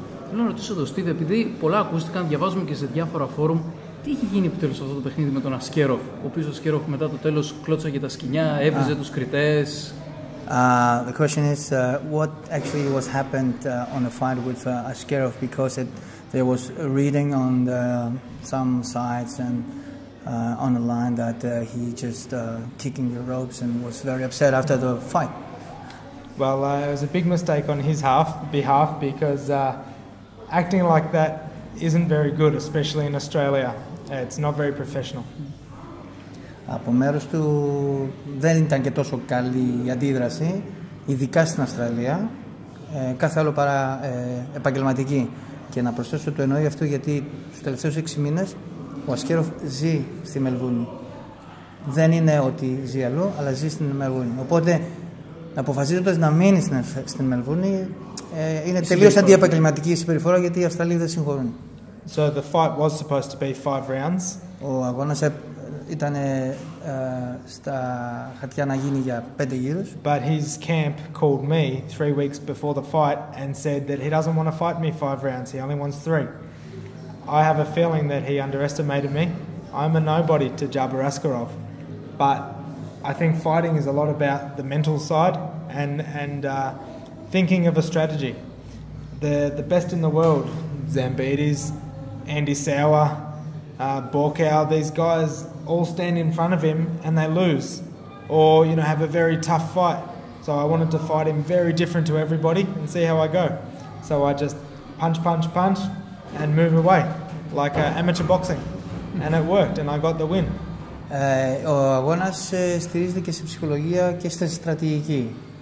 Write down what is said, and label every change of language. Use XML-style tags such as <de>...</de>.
<el>Θέλω να ρωτήσω εδώ, Στίβε, επειδή πολλά ακούστηκαν, διαβάζουμε και σε διάφορα φόρουμ, τι έχει γίνει επιτέλους αυτό το παιχνίδι με τον Ασκέροφ, ο οποίος ο Ασκέροφ μετά το τέλος κλώτσαγε τα σκοινιά, έβριζε τους κριτές.</el> <en>The question is, what actually was happened on the fight with Ασκέροφ, because there was a reading on the, some sites and on the line that he just kicking the ropes and was very upset after the fight. Well, it was a big mistake on his behalf because acting like that isn't very good, especially in Australia. It's not very professional.</en> <el>Από μέρος του δεν ήταν και τόσο καλή η αντίδραση, ειδικά στην Αυστραλία, κάθε άλλο παρά επαγγελματική. Και να προσθέσω το εννοεί αυτό γιατί στους τελευταίους 6 μήνες ο Ασκέροφ ζει στη Μελβούρνη. Δεν είναι ότι ζει αλλού, αλλά ζει στην Μελβούρνη. Οπότε, αποφασίζοντας να μείνει στην Μελβούρνη, είναι τελείως αντιεπαγγελματική η συμπεριφορά γιατί οι Αυστραλοί δεν συγχωρούν.</el> <en>So the fight was supposed to be 5 rounds.</en> <el>Ο αγώνας ήταν στα χαρτιά να γίνει για 5 γύρους.</el> <en>But his camp called me 3 weeks before the fight and said that he doesn't want to fight me 5 rounds, he only wants 3. I have a feeling that he underestimated me. I'm a nobody to Jabir Askarov, but I think fighting is a lot about the mental side and thinking of a strategy. The best in the world, Zambidis, Andy Sauer, Borkow, these guys all stand in front of him and they lose, or you know, have a very tough fight. So I wanted to fight him very different to everybody and see how I go. So I just punch and move away. Like amateur boxing, and it worked, and I got the win.</en> <el>Ο αγώνας στηρίζεται και σε ψυχολογία και στη στρατηγική.</el>